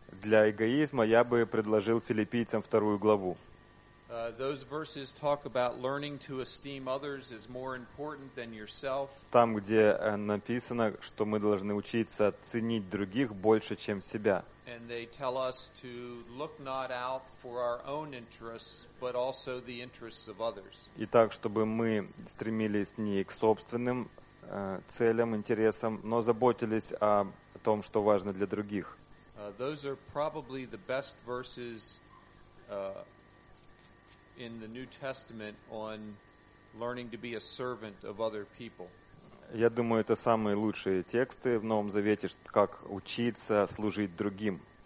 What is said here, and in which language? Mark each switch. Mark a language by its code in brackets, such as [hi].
[ru] Для эгоизма я бы предложил Филиппийцам вторую главу. [en] Those verses talk about learning to esteem others as more important than yourself. [ru] Там, где написано, что мы должны учиться ценить других больше, чем себя. [en] And they tell us to look not out for our own interests, but also the interests of others. [ru] И так, чтобы мы стремились не к собственным целям, интересам, но заботились о том, что важно для других. [en] Those are probably the best verses in the New Testament on learning to be a servant of other people. [ru] Я думаю, это самые лучшие тексты в Новом Завете, как учиться служить другим.